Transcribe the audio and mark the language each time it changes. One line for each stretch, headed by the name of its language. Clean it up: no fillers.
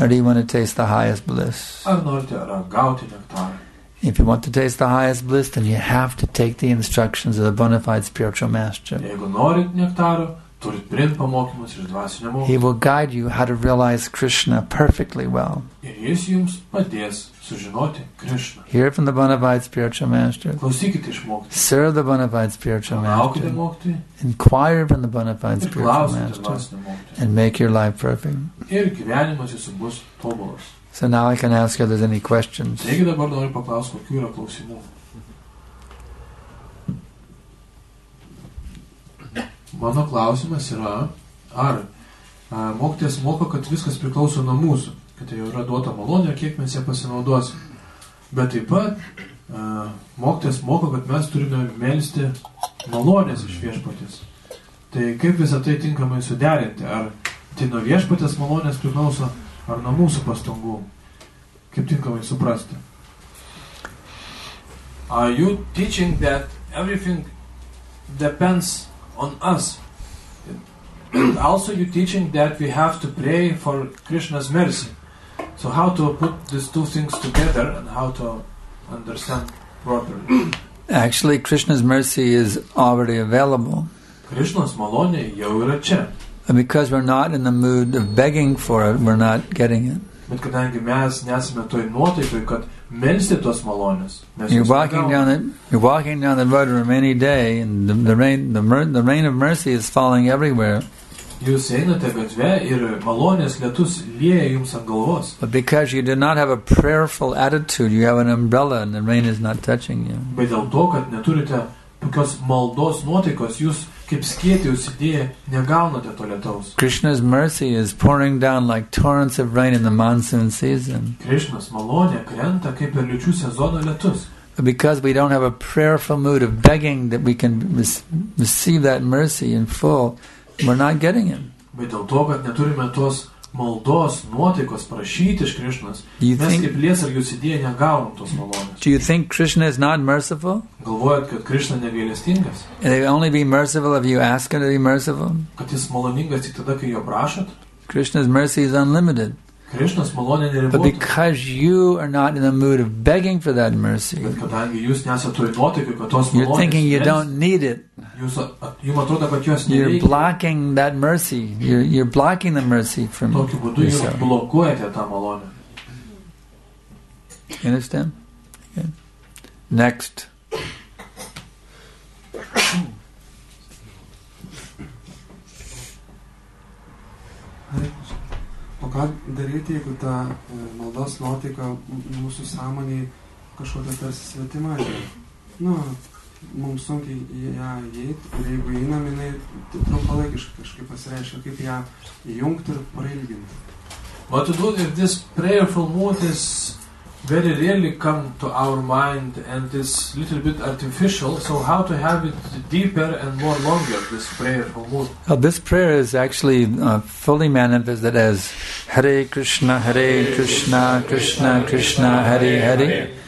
English: Or do you want to taste the highest bliss?
Lithuanian: Ar norite ragauti nektarą?
English: If you want to taste the highest bliss, then you have to take the instructions of the bona fide spiritual master.
Lithuanian: Jeigu norite nektaro, turit priimt pamokymus iš dvasinio mokymo.
English: He will guide you how to realize Krishna perfectly well.
Lithuanian: Ir jis jums padės sužinoti Krishna.
English: Hear from the bona fide spiritual master.
Lithuanian: Klausykite iš mokytojo.
English: Serve the bona fide spiritual master.
Lithuanian: Laukite mokytojo.
English: Inquire from the bona fide spiritual master. And make your life perfect.
Lithuanian: Ir gyvenimas jūsų bus tobulas.
English: So now I can ask if there's any questions.
Lithuanian: Taigi dabar noriu paklausti, kokių yra klausimų. Mano klausimas yra, ar mokytojas moko, kad viskas priklauso nuo mūsų, kad tai yra duota malonė ir kiek mes ją pasinaudosim. Bet taip pat mokytojas moko, kad mes turime melsti malonės iš viešpatės. Tai kaip visą tai tinkamai suderinti? Ar tai nuo viešpatės malonės priklauso, ar nuo mūsų pastangų? Kaip tinkamai suprasti?
English: Are you teaching that everything depends on us? Also, you're teaching that we have to pray for Krishna's mercy. So how to put these two things together and how to understand properly? Actually, Krishna's mercy is already available.
Lithuanian: Krishna's malonė jau yra čia.
English: And because we're not in the mood of begging for it, we're not getting it.
Lithuanian: Bet kadangi mes nesame toj nuotaikoj, kad melsti tos malonės.
English: You're walking down the road for any day and the rain of mercy is falling everywhere.
Lithuanian: Jūs einate gatve ir malonės lietus lieja jums ant galvos.
English: But because you do not have a prayerful attitude, you have an umbrella and the rain is not touching you.
Lithuanian: Bet dėl to, kad neturite tokios maldos nuotaikos, jūs kaip skėti užsidėję negaunate to lietaus.
English: Krishna's mercy is pouring down like torrents of rain in the monsoon season.
Lithuanian: Krishna's malonė krenta kaip ir liūčių sezono lietus.
English: But because we don't have a prayerful mood of begging that we can receive that mercy in full, we're not getting it.
Lithuanian: Bet dėl to, kad neturime tos maldos nuotaikos prašyti iš Krishnas, mes kaip lietsargių užsidėję negaunam tos malonės.
English: Do you think Krishna is not merciful?
Lithuanian: Galvojat, kad Krishna negailestingas?
English: And he will only be merciful if you ask him to be merciful?
Lithuanian: Kad jis maloningas tik tada, kai jo prašot?
English: Krishna's mercy is unlimited.
Lithuanian: Krishna's malonė neribota.
English: But because you are not in the mood of begging for that mercy,
Lithuanian: bet kadangi jūs nesat toj nuotaikoj, kad tos malonės,
English: you're thinking you don't need it.
Lithuanian: Jūs atrodo, kad jos nereikia.
English: You're blocking that mercy. You're blocking the mercy from yourself.
Lithuanian: Tokiu būdu jūs blokuojate tą malonę.
English: You understand? Okay. Next.
Lithuanian: O ką daryti, jeigu ta maldos nuotaika mūsų sąmonėje kažkokia tarsi svetima? Nu, mums sunkiai į ją įeiti, ir jeigu įinam, jinai trumpalaikiškai kažkaip pasireiškia, kaip ją įjungti ir prailginti.
English: What to do if this prayerful mood is very rarely come to our mind and is a little bit artificial, so how to have it deeper and more longer, this prayerful mood? Well, this prayer is actually fully manifested as Hare Krishna, Krishna Krishna, Hare Hare.